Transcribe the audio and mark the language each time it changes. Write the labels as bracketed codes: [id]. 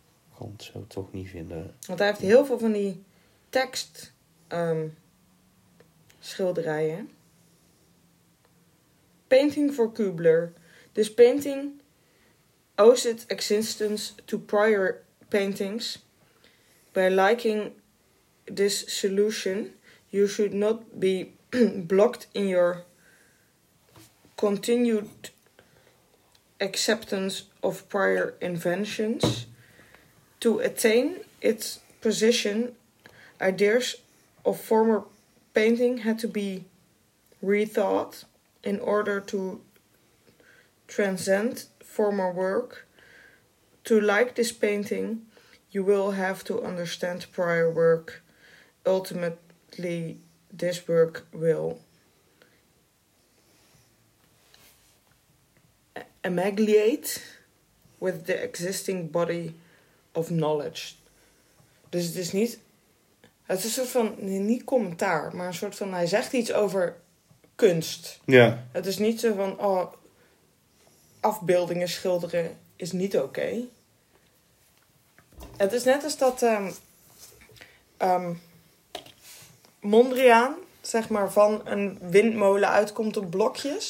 [nl] Ik kan het zo toch niet vinden. Want hij heeft heel veel van die tekst schilderijen. [en] Painting for Kubler. This painting owes its existence to prior paintings. By liking this solution, you should not be blocked in your continued acceptance of prior inventions. To attain its position, ideas of former painting had to be rethought in order to transcend former work. To like this painting, you will have to understand prior work. Ultimately, this work will amalgamate with the existing body of knowledge. [nl] Dus het is niet, het is een soort van, niet commentaar, maar een soort van, hij zegt iets over kunst. Ja. Het is niet zo van, oh, afbeeldingen schilderen is niet oké. Okay. Het is net als dat Mondriaan, zeg maar, van een windmolen uitkomt op blokjes.